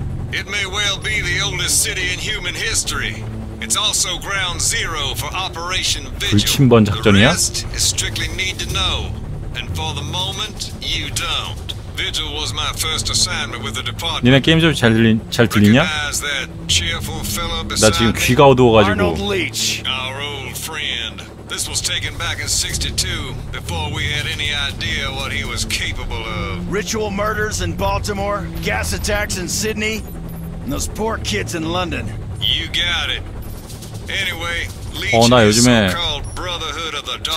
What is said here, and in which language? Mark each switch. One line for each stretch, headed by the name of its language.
English: It may well be the oldest city in human history. It's also ground zero for Operation Vigil. The rest is strictly need to know, and for the moment, you don't. Vigil was my first assignment with the department.
Korean: 니네 게임 좀 잘 들리냐? 나 지금 귀가 어두워가지고.
English: Arnold Leach, our old friend. This was taken back in 62, before we had any idea what he was capable of. Ritual murders in Baltimore, gas attacks in Sydney, and those poor kids in London. You got it. Anyway, Leech is so-called Brotherhood of the Dark Rancher.